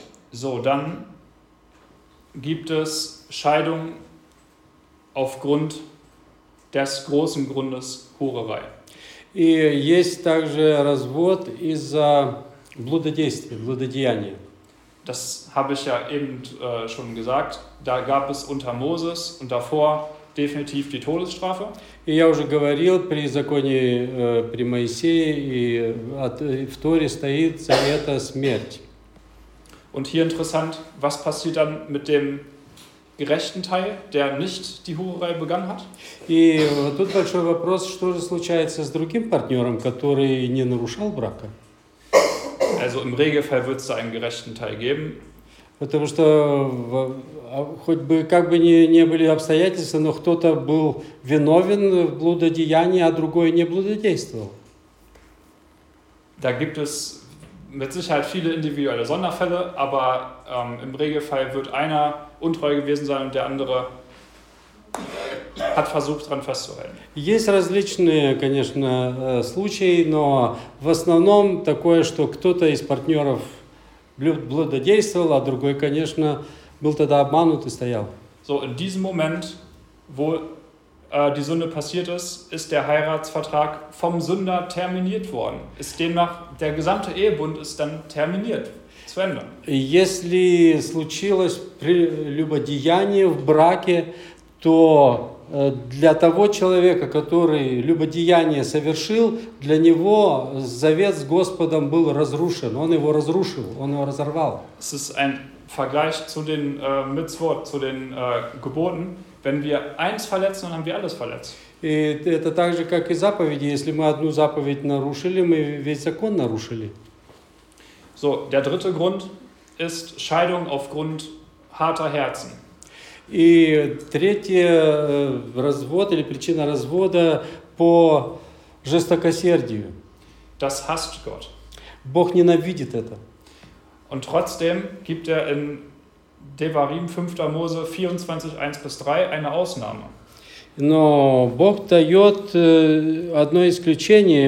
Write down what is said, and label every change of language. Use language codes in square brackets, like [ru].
[de] So, dann gibt es Scheidung aufgrund des großen Grundes Hurerei. [ru] И есть также развод из-за блудодействия, блудодеяния. [de] Das habe ich ja eben schon gesagt. Da gab es unter Moses und davor definitiv die Todesstrafe. [ru] И я уже говорил, при законе, при Моисее, и в Торе стоит за это смерть. [de] Und hier interessant, was passiert dann mit dem gerechten Teil, der nicht die Hurerei begangen hat. [ru] И тут большой вопрос, что же случается с другим партнером, который не нарушал брака? [de] Also im Regelfall wird es da einen gerechten Teil geben. [ru] Потому что хоть бы как бы не были обстоятельства, но кто-то был виновен в блудодеянии, а другой не блудодействовал. [de] Da gibt es mit Sicherheit viele individuelle Sonderfälle, aber im Regelfall wird einer untreu gewesen sein und der andere hat versucht, daran festzuhalten. [ru] Есть различные, конечно, случаи, но в основном такое, что кто-то из партнеров блюдодействовал, а другой, конечно, был тогда обманут и стоял. [de] So, in diesem Moment, wo die Sünde passiert ist, ist der Heiratsvertrag vom Sünder terminiert worden. Ist demnach, der gesamte Ehebund ist dann terminiert, zu Ende. [ru] Если случилось прелюбодеяние в браке, то для того человека, который любодеяние совершил, для него завет с Господом был разрушен. Он его разрушил, он его разорвал. [de] Es ist ein Vergleich zu den Mitzvot, zu den Geboten. Wenn wir eins verletzen, dann haben wir alles verletzt. [ru] И это так же, как и заповеди. Если мы одну заповедь нарушили, мы весь закон нарушили. [de] So, der dritte Grund ist Scheidung aufgrund harter Herzen. [ru] И третье, развод или причина развода по жестокосердию. [de] Das hasst Gott. [ru] Бог ненавидит это. [de] Und trotzdem gibt in Devarim 5. Mose 24, 1-3 eine Ausnahme. [ru] Но Бог дает одно исключение.